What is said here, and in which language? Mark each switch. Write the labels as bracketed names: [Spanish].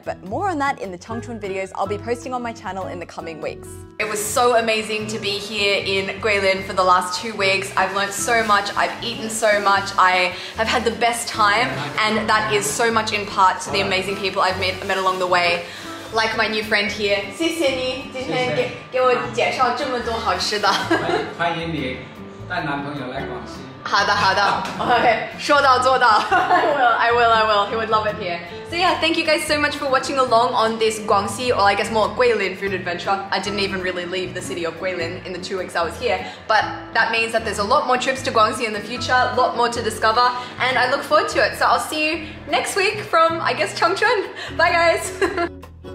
[English] But more on that in the Chongqing videos I'll be posting on my channel in the coming weeks. It was so amazing to be here in Guilin for the last 2 weeks. I've learned so much. I've eaten so much. I have had the best time, and that is so much in part to the amazing people I've met along the way, like my new friend here. [Chinese] 谢谢你今天给我介绍这么多好吃的。欢迎你带男朋友来广西。好的好的 ，OK， 说到做到。 [English] I will. He would love it here. So yeah, thank you guys so much for watching along on this Guangxi, or I guess more Guilin food adventure. I didn't even really leave the city of Guilin in the 2 weeks I was here, but that means that there's a lot more trips to Guangxi in the future, a lot more to discover, and I look forward to it. So I'll see you next week from, I guess, Chongqing. Bye guys.